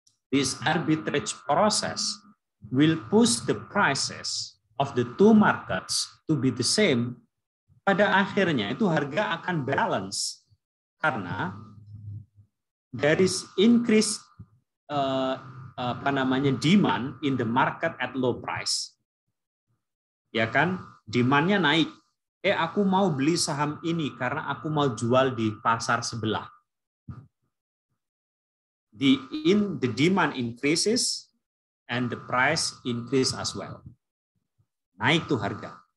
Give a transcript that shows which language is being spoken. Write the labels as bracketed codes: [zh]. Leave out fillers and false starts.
[en] This arbitrage process will push the prices of the two markets to be the same. [id] Pada akhirnya itu harga akan balance. Karena [en] there is increased demand in the market at low price. [id] Ya kan? Demand-nya naik. Aku mau beli saham ini karena aku mau jual di pasar sebelah. [en] The demand increases and the price increase as well. [id] Naik tuh harga.